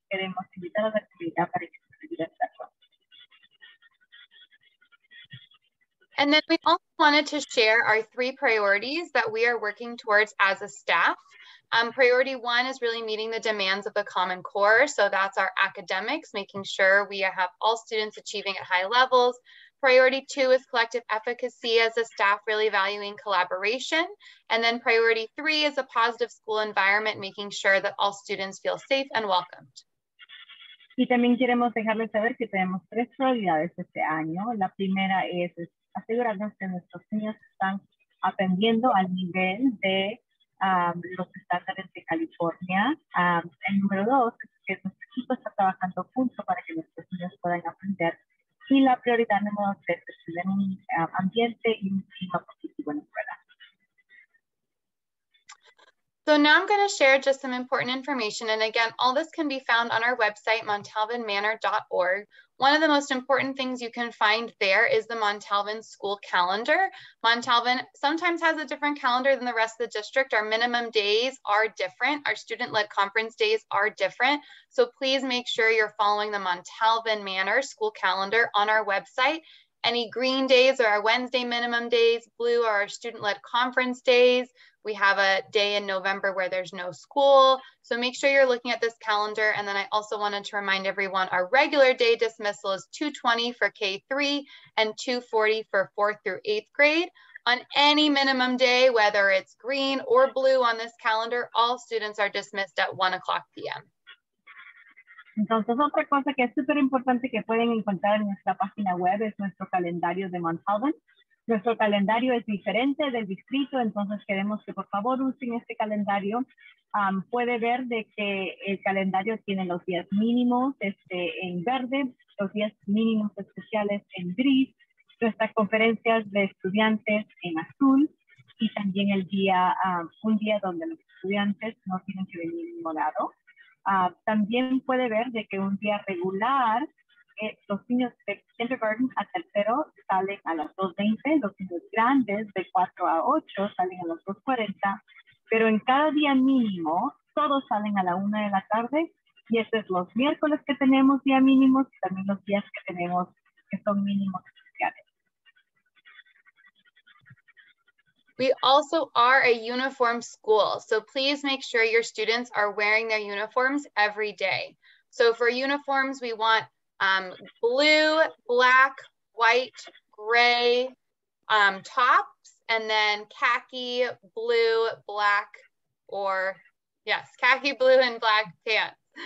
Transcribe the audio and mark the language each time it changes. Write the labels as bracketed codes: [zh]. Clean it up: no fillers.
[es] Queremos invitar a la comunidad para que se vea esta cosa. [en] And then we also wanted to share our 3 priorities that we are working towards as a staff. Priority 1 is really meeting the demands of the Common Core. So that's our academics, making sure we have all students achieving at high levels. Priority 2 is collective efficacy as a staff, really valuing collaboration. And then priority 3 is a positive school environment, making sure that all students feel safe and welcomed. [es] Y también queremos dejarles saber que tenemos 3 prioridades este año. La primera es asegurarnos que nuestros niños están aprendiendo al nivel de los estándares de California. El número 2 es que nuestro equipo está trabajando junto para que nuestros niños puedan prioridad número tres es tener un ambiente y un clima positivo en la escuela. [en] So now I'm going to share just some important information. And again, all this can be found on our website, montalvinmanor.org. One of the most important things you can find there is the Montalvin school calendar. Montalvin sometimes has a different calendar than the rest of the district. Our minimum days are different. Our student-led conference days are different. So please make sure you're following the Montalvin Manor school calendar on our website. Any green days are our Wednesday minimum days, blue are our student-led conference days. We have a day in November where there's no school. So make sure you're looking at this calendar. And then I also wanted to remind everyone, our regular day dismissal is 2:20 for K-3 and 2:40 for fourth through eighth grade. On any minimum day, whether it's green or blue on this calendar, all students are dismissed at 1:00 p.m. [es] Entonces, otra cosa que es súper importante que pueden encontrar en nuestra página web es nuestro calendario de Montalvin. Nuestro calendario es diferente del distrito, entonces queremos que por favor usen este calendario. Puede ver de que el calendario tiene los días mínimos en verde, los días mínimos especiales en gris, nuestras conferencias de estudiantes en azul y también el día, un día donde los estudiantes no tienen que venir en morado. También puede ver de que un día regular, los niños de kindergarten a tercero salen a las 2:20, los niños grandes de 4 a 8 salen a las 2:40, pero en cada día mínimo todos salen a la 1 de la tarde y esos son los miércoles que tenemos día mínimo y también los días que tenemos que son mínimos especiales. [en] We also are a uniform school, so please make sure your students are wearing their uniforms every day. So for uniforms, we want blue, black, white, gray tops, and then khaki, blue, black, or yes, khaki, blue, and black pants.